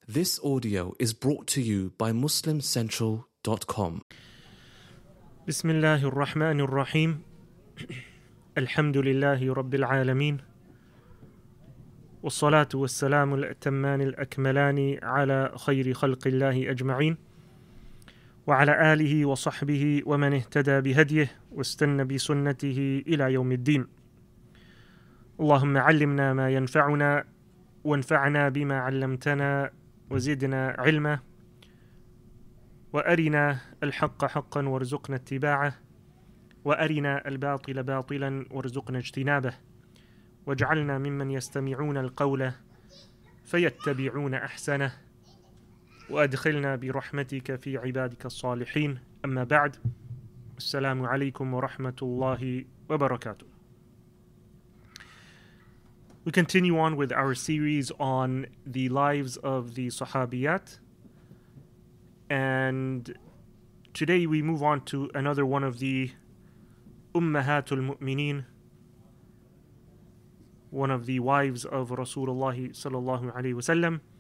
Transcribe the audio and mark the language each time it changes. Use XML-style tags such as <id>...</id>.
<en>This audio is brought to you by MuslimCentral.com.</en> <ar>بسم الله الرحمن الرحيم الحمد لله رب العالمين والصلاة والسلام الأتمان الأكملان على خير خلق الله أجمعين وعلى آله وصحبه ومن اهتدى بهديه واستنى بسنته إلى يوم الدين. اللهم علمنا ما ينفعنا وانفعنا بما علمتنا وزدنا علما وأرنا الحق حقا وارزقنا اتباعه وأرنا الباطل باطلا وارزقنا اجتنابه واجعلنا ممن يستمعون القول فيتبعون أحسنه وأدخلنا برحمتك في عبادك الصالحين. أما بعد، السلام عليكم ورحمة الله وبركاته.</ar> <en>We continue on with our series on the lives of the Sahabiyat. And today we move on to another one of the Ummahatul Mu'mineen, one of the wives of Rasulullah sallallahu alayhi wa sallam.</en>